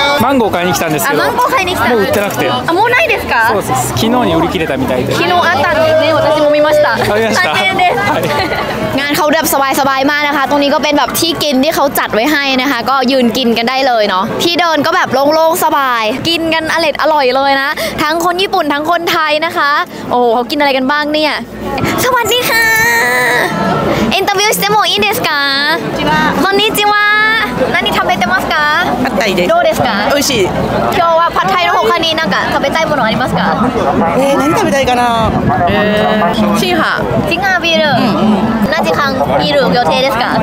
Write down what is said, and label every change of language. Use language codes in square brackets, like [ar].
[ja] マンゴー買いに来たんですけど。あ、マンゴー買いに来た。もう売ってなくて。あ、もうないですか。そうです。昨日に売り切れたみたいで。昨日あったんですね。私も見ました。買いました。残念です。 [th] งานเขาแบบสบายๆมากนะคะตรงนี้ก็เป็นแบบที่กินที่เขาจัดไว้ให้นะคะก็ยืนกินกันได้เลยเนาะที่เดินก็แบบโล่งๆสบายกินกันอร่อยเลยนะทั้งคนญี่ปุ่นทั้งคนไทยนะคะโอ้เขากินอะไรกันบ้างเนี่ยสวัสดีค่ะ [ja] インタビューしてもいいですか？こんにちは。こんにちは。何食べてますか？パッタイです。どうですか？美味しい。今日はパッタイの他に何か食べたいものありますか？何食べたいかな？チンハ。チンハビール。何時間ビール予定ですか？